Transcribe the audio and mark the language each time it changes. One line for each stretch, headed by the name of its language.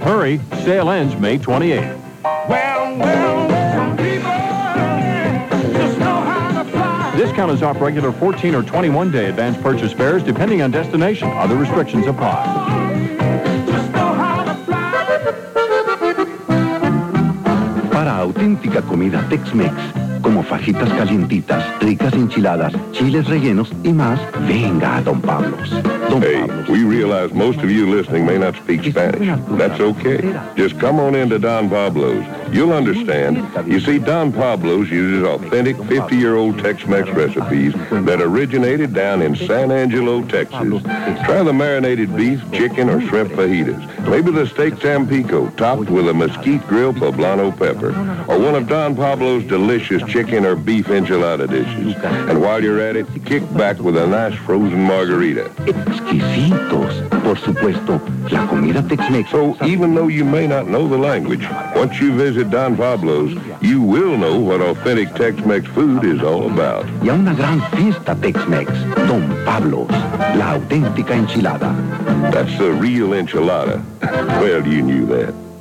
English: Hurry, sale ends May 28th. Well, some people just know how to fly. Discount is off regular 14 or 21-day advance purchase fares depending on destination. Other restrictions apply.
Spanish: Auténtica comida Tex-Mex, como fajitas calientitas, ricas enchiladas, chiles rellenos y más, venga a Don Pablo's.
English: Don hey, Pablo's. We realize most of you listening may not speak Spanish. That's okay. Just come on into Don Pablo's. You'll understand. You see, Don Pablo's uses authentic 50-year-old Tex-Mex recipes that originated down in San Angelo, Texas. Try the marinated beef, chicken, or shrimp fajitas. Maybe the steak tampico topped with a mesquite grill poblano pepper. Or one of Don Pablo's delicious chicken or beef enchilada dishes. And while you're at it, kick back with a nice frozen margarita.
Spanish: Exquisitos, por supuesto, la comida Tex-Mex.
English: So even though you may not know the language, once you visit Don Pablo's, you will know what authentic Tex-Mex food is all about.
Spanish: Y una gran fiesta Tex-Mex, Don Pablo's, la auténtica enchilada.
English: That's the real enchilada. Well, you knew that.